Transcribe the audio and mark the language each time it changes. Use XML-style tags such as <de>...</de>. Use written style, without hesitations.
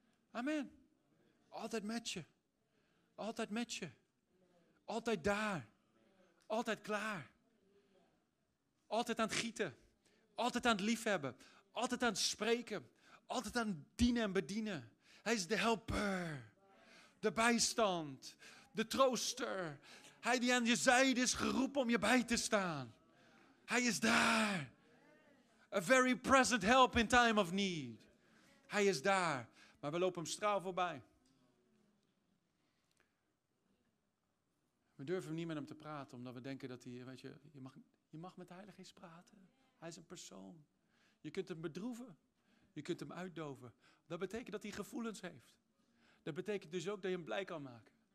<nl>Amen. Altijd met je. Altijd met je. Altijd daar. Altijd klaar. Altijd aan het gieten. Altijd aan het liefhebben. Altijd aan het spreken. Altijd aan het dienen en bedienen. Hij is de helper. De bijstand. De trooster. Hij die aan je zijde is geroepen om je bij te staan. Hij is daar.</nl> <en>A very present help in time of need.</en> <nl>Hij is daar. Maar we lopen hem straal voorbij. We durven niet met hem te praten. Omdat we denken dat hij, weet je, je mag met de Heilige Geest praten. Hij is een persoon. Je kunt hem bedroeven. Je kunt hem uitdoven. Dat betekent dat hij gevoelens heeft. Dat betekent dus ook dat je hem blij kan maken.</nl>